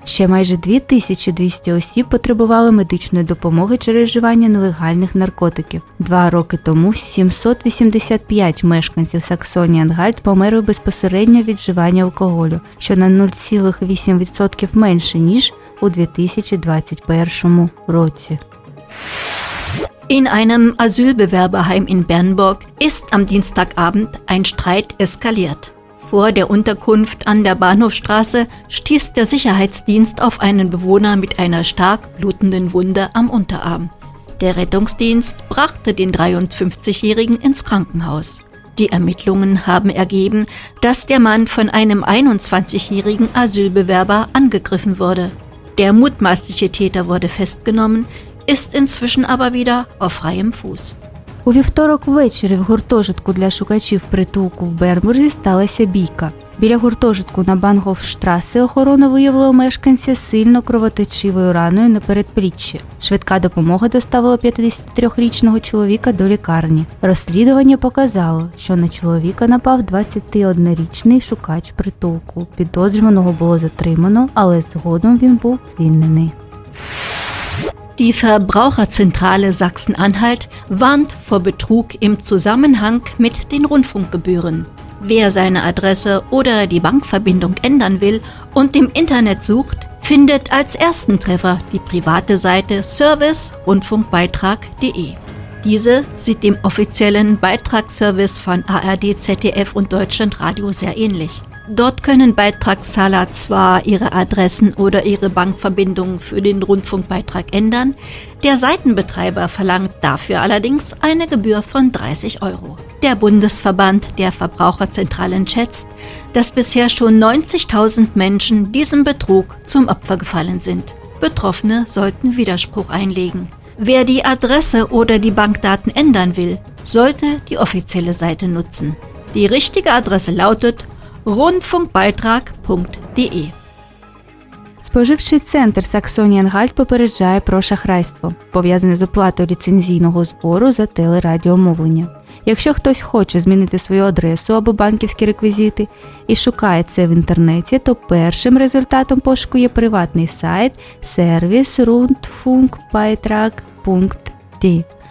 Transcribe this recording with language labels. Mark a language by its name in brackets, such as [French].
[Ukrainian] Ще майже 2200 осіб потребували медичної допомоги через вживання нелегальних наркотиків. 2 роки тому 785 мешканців Саксонії-Анхальт померли безпосередньо від вживання алкоголю, що на 0,8% менше, ніж у 2021 році. [German] In einem Asylbewerberheim in Bernburg ist am Dienstagabend ein Streit eskaliert. Vor der Unterkunft an der Bahnhofstraße stieß der Sicherheitsdienst auf einen Bewohner mit einer stark blutenden Wunde am Unterarm. Der Rettungsdienst brachte den 53-Jährigen ins Krankenhaus. Die Ermittlungen haben ergeben, dass der Mann von einem 21-jährigen Asylbewerber angegriffen wurde. Der mutmaßliche Täter wurde festgenommen, ist inzwischen aber wieder auf freiem Fuß. [Ukrainian] У вівторок ввечері в гуртожитку для шукачів притулку в Бернбурзі сталася бійка. Біля гуртожитку на Бангофштрасе охорона виявила мешканця сильно кровотечивою раною на передпліччі. Швидка допомога доставила 53-річного чоловіка до лікарні. Розслідування показало, що на чоловіка напав 21-річний шукач притулку. Підозрюваного було затримано, але згодом він був звільнений. [German] Die Verbraucherzentrale Sachsen-Anhalt warnt vor Betrug im Zusammenhang mit den Rundfunkgebühren. Wer seine Adresse oder die Bankverbindung ändern will und im Internet sucht, findet als ersten Treffer die private Seite service-rundfunkbeitrag.de. Diese sieht dem offiziellen Beitragsservice von ARD, ZDF und Deutschlandradio sehr ähnlich. Dort können Beitragszahler zwar ihre Adressen oder ihre Bankverbindungen für den Rundfunkbeitrag ändern, der Seitenbetreiber verlangt dafür allerdings eine Gebühr von 30 Euro. Der Bundesverband der Verbraucherzentralen schätzt, dass bisher schon 90.000 Menschen diesem Betrug zum Opfer gefallen sind. Betroffene sollten Widerspruch einlegen. Wer die Adresse oder die Bankdaten ändern will, sollte die offizielle Seite nutzen. Die richtige Adresse lautet rundfunkbeitrag.de. [Ukrainian] Споживчий центр Саксонія-Анхальт попереджає про шахрайство, пов'язане з оплатою ліцензійного збору за телерадіомовлення. Якщо хтось хоче змінити свою адресу або банківські реквізити і шукає це в інтернеті, то першим результатом пошуку є приватний сайт service.rundfunkbeitrag.de.